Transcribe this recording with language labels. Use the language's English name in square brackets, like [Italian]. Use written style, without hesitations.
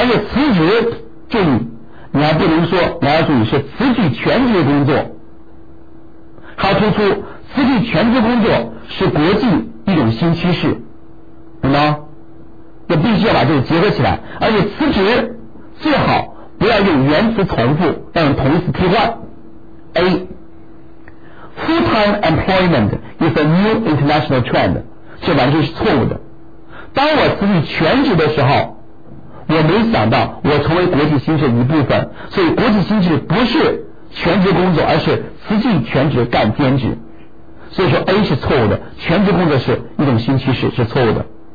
[Chinese] 而且辞职，注意你还不能说，你要注意是辞去全职工作，还要突出辞去全职工作是国际一种新趋势，懂吗？那必须要把这个结合起来，而且辞职最好不要用原词重复，要用同词替换。 [English] A full-time employment is a new international trend， [Chinese] 这完全是错误的。当我辞去全职的时候，我没想到我成为国际新事一部分，所以国际新事不是全职工作，而是辞去全职干兼职。所以说 A 是错误的，全职工作是一种新趋势，是错误的。